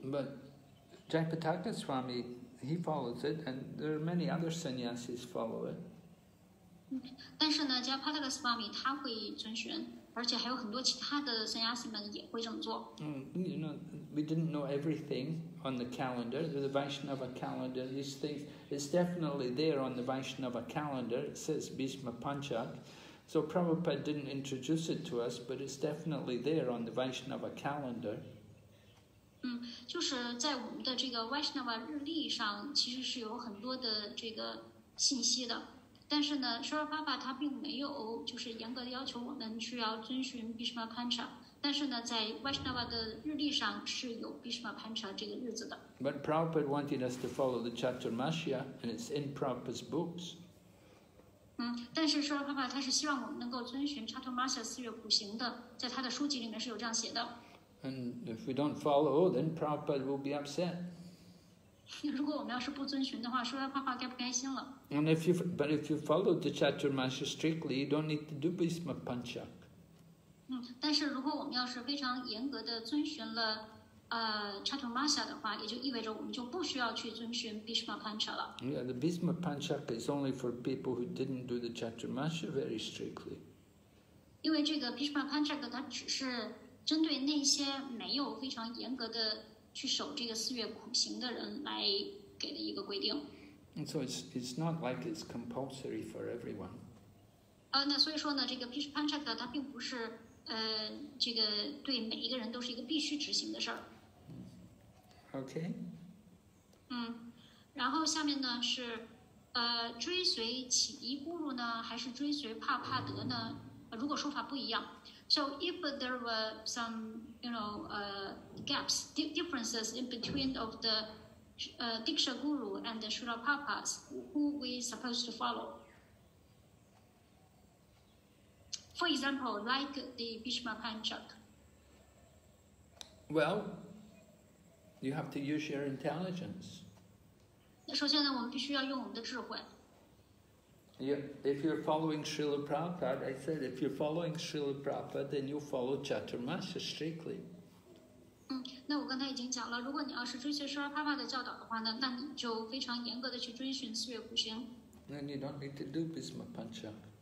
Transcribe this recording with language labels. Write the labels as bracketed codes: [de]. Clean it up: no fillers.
[en] But Jayapataka Swami, he follows it, and there are many other sannyasis follow it. [zh] 嗯，但是呢 ，Jayapataka Swami 他会遵循。而且还有很多其他的僧伽士们也会这么做。 [en] 嗯 ，you know, we didn't know everything on the calendar. The Vaishnava calendar, these things, it's definitely there on the Vaishnava calendar. It says Bhishma Panchak, so Prabhupada didn't introduce it to us, but it's definitely there on the Vaishnava calendar. [zh] 嗯，就是在我们的这个 Vaishnava 日历上，其实是有很多的这个信息的。但是呢，舒尔爸爸他并没有就是严格的要求我们需要遵循 Bhishma Pancha， 但是呢，在 Vaishnava 的日历上是有 Bhishma Pancha 这个日子的。 [en] But Prabhupada wanted us to follow the Chaturmasya, and it's in Prabhupada's books. [zh] 嗯，但是舒尔爸爸他是希望我们能够遵循 Chaturmasya 四月苦行的，在他的书籍里面是有这样写的。 [en] And if we don't follow, then Prabhupada will be upset. [zh] 如果我们要是不遵循的话，说爸爸该不开心了。 [en] And if you, but if you follow the Chaturmasya strictly, you don't need to do Bhishma Panchak. [zh] 嗯，但是如果我们要是非常严格的遵循了， Chaturmasya 的话，也就意味着我们就不需要去遵循 Bhishma Pancha 了。 [en] Yeah, the Bhishma Panchaka is only for people who didn't do the Chaturmasya very strictly. [zh] 因为这个 Bhishma Panchaka 它只是针对那些没有非常严格的去守这个四月苦行的人来给的一个规定。 [en] And so it's not like it's compulsory for everyone. [zh] 那所以说呢，这个 Bhishma Panchaka 它并不是这个对每一个人都是一个必须执行的事儿。 [en] OK。 [zh] 嗯，然后下面呢是，追随启迪咕噜呢，还是追随帕帕德呢？如果说法不一样 [en] ，So if there were some, you know, gaps, differences in between of the, Diksha Guru and the Srila Prabhupada, who we supposed to follow? For example, like the Bhishma Panchak. Well, you have to use your intelligence. [zh] 首先呢，我们必须要用我们的智慧。 [en] Yeah, if you're following Srila Prabhupada, I said if you're following Srila Prabhupada, then you follow Chaturmasya strictly. [zh] 那我刚才已经讲了，如果你要是追随 Srila Prabhupada 的教导的话呢，那你就非常严格的去遵循四月苦行。 [en] Then you don't need to do Bhishma Panchak.